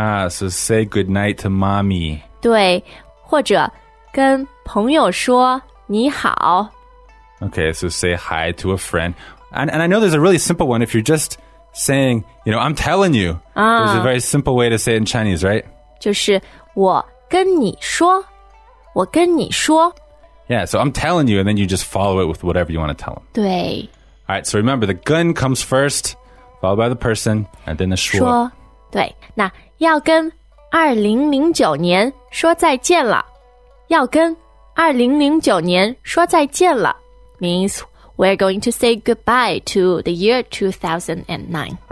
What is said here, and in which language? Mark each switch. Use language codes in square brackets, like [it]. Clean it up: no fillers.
[en] So say goodnight to mommy. [zh] 对,或者跟朋友说你好。 [en] Okay, so say hi to a friend. And I know there's a really simple one if you're just saying, you know, I'm telling you. There's a very simple way to say it in Chinese, right? [zh] 就是我跟你说,我跟你说。 [en] Yeah, so I'm telling you, and then you just follow it with whatever you want to tell them. [zh] 对。 [en] All right, so remember, the 跟 comes first. Followed by the person, and then the 说。 [zh] 对，那要跟2009年说再见了。要跟2009年说再见了 [en] means we're going to say goodbye to the year 2009.